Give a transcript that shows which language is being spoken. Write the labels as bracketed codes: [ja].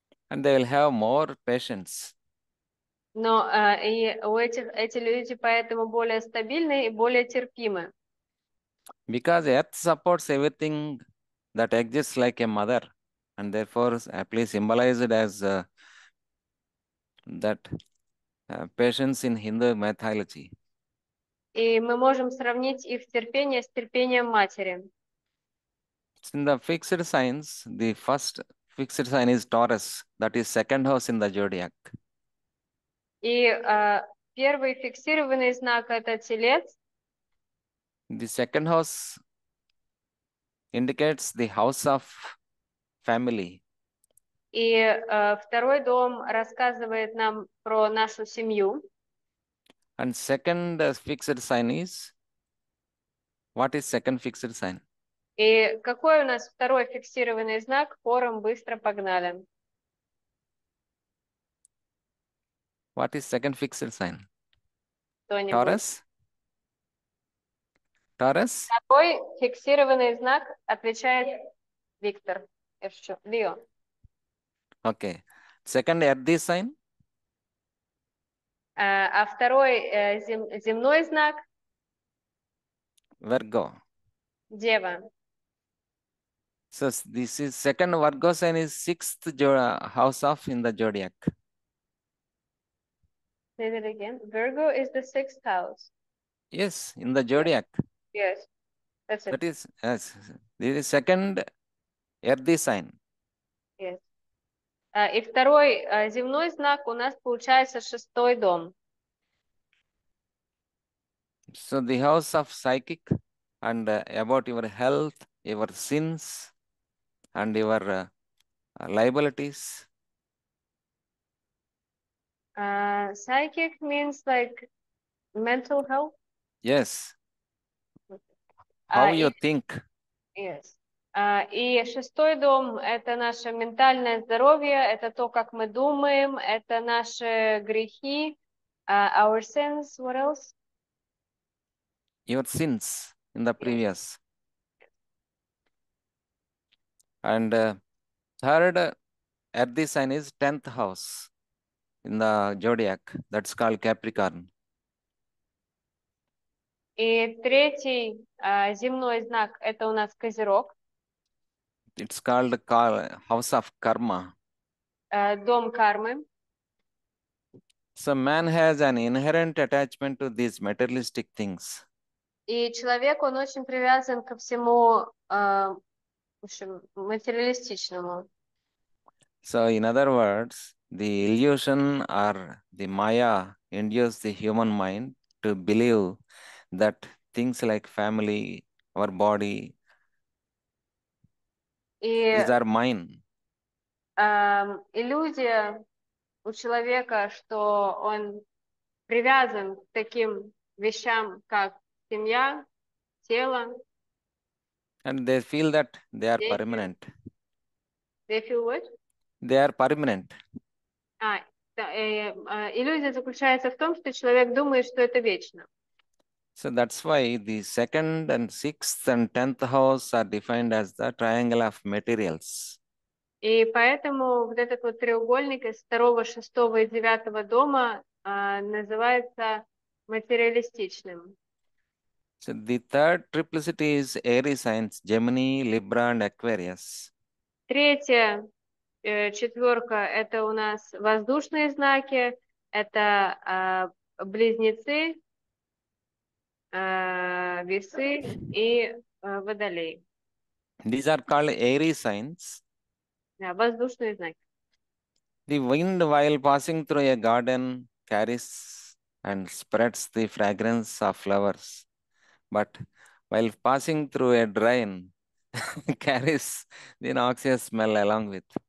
[en] And they will have more patience. [ru] Но и у этих эти люди поэтому более стабильны и более терпимы. [en] Because Earth supports everything that exists like a mother, and therefore aptly symbolized as that patience in Hindu mythology. [ru] И мы можем сравнить их терпение с терпением матери. [en] In the fixed signs, the first fixed sign is Taurus, that is second house in the zodiac. [ru] И первый фиксированный знак – это Телец. [en] The second house indicates the house of family. [ru] И второй дом рассказывает нам про нашу семью. [en] And second fixed sign is, what is second fixed sign? [ru] И какой у нас второй фиксированный знак? Хором быстро погнали. [en] What is second fixed sign? [ru] Кто-нибудь? [en] Taurus? Taurus? [ru] Какой фиксированный знак отвечает Виктор? Лио. [en] Okay. Second earthy sign? [ru] А второй земной знак? [en] Virgo. [ru] Дева. [en] So this is second Virgo sign is sixth house of in the zodiac. Say that again. Virgo is the sixth house. Yes, in the zodiac. Yes, that's it. That is, yes, this is second earthy sign. Yes. [ru] И второй земной знак у нас получается шестой дом. [en] So the house of psychic and about your health, your sins, and your liabilities. Psychic means like mental health. Yes. How you think? Yes. [ru] И шестой дом – это наше ментальное здоровье, это то, как мы думаем, это наши грехи, [en] our sins. What else? Your sins in the previous. And third earthy sign is 10th house in the zodiac. That's called Capricorn. [ru] И третий земной знак – это у нас Козерог. [en] It's called the house of karma. [ru] Дом кармы. [en] So man has an inherent attachment to these materialistic things. [ru] И человек, он очень привязан ко всему, в общем, материалистичному. [en] So in other words, the illusion or the maya induces the human mind to believe that things like family, our body, these are mine. [ru] Иллюзия у человека, что он привязан к таким вещам, как семья, тело. [en] And they feel that they are [ru] дети. [en] permanent. They feel what? They are permanent. [ru] Иллюзия заключается в том, что человек думает, что это вечно. [en] So that's why the second and sixth and tenth house are defined as the triangle of materials. [ru] И поэтому вот этот вот треугольник из второго, шестого и девятого дома называется материалистичным. [en] So the third triplicity is Aries signs, Gemini, Libra and Aquarius. [ru] Третья четверка – это у нас воздушные знаки, это близнецы, весы и водолей. [en] These are called Aries signs. [ru] Да, воздушные знаки. [en] The wind while passing through a garden carries and spreads the fragrance of flowers. But while passing through a drain, carries the noxious smell along with.